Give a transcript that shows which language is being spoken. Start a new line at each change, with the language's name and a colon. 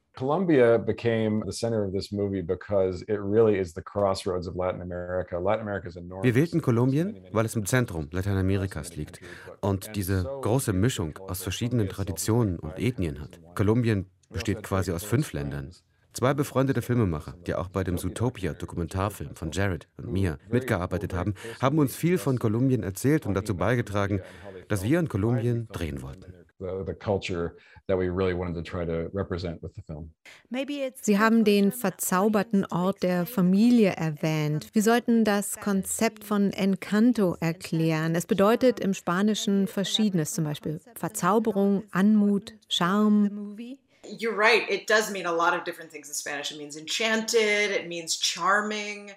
English: Columbia became the center of this movie because it really is the crossroads of Latin America. Latin America is enormous.
German: Wir wählten Kolumbien, weil es im Zentrum Lateinamerikas liegt und diese große Mischung aus verschiedenen Traditionen und Ethnien hat. Kolumbien besteht quasi aus 5 Ländern. 2 befreundete Filmemacher, die auch bei dem Zootopia-Dokumentarfilm von Jared und mir mitgearbeitet haben, haben uns viel von Kolumbien erzählt und dazu beigetragen, dass wir in Kolumbien drehen wollten.
English: The culture that we really wanted to try to represent with the film.
German: Sie haben den verzauberten Ort der Familie erwähnt. Wir sollten das Konzept von Encanto erklären. Es bedeutet im Spanischen Verschiedenes, zum Beispiel Verzauberung, Anmut, Charme.
English: You're right, it does mean a lot of different things in Spanish. It means enchanted, it means charming.